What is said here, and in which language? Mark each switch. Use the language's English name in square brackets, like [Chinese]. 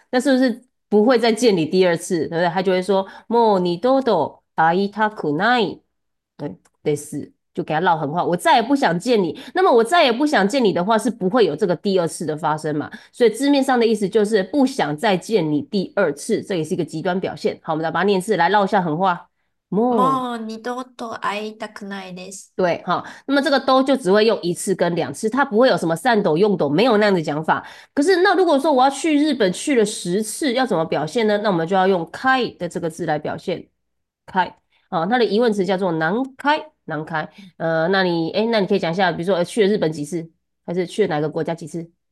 [Chinese] 那是不是不会再见你第二次？对不对？他就会说，莫你多多阿伊塔库奈，对，类似，就给他撂狠话，我再也不想见你。那么我再也不想见你的话，是不会有这个第二次的发生嘛？所以字面上的意思就是不想再见你第二次，这也是一个极端表现。好，我们再把它念一次，来撂一下狠话，莫。 [Japanese] もう二度と会いたくないです。 [Chinese] 对哈，那么这个都就只会用一次跟两次，它不会有什么善斗用斗，没有那样的讲法。可是那如果说我要去日本去了10次，要怎么表现呢？那我们就要用开的这个字来表现，开啊，它的疑问词叫做难开，难开。那你可以讲一下，比如说去了日本几次，还是去了哪个国家几次？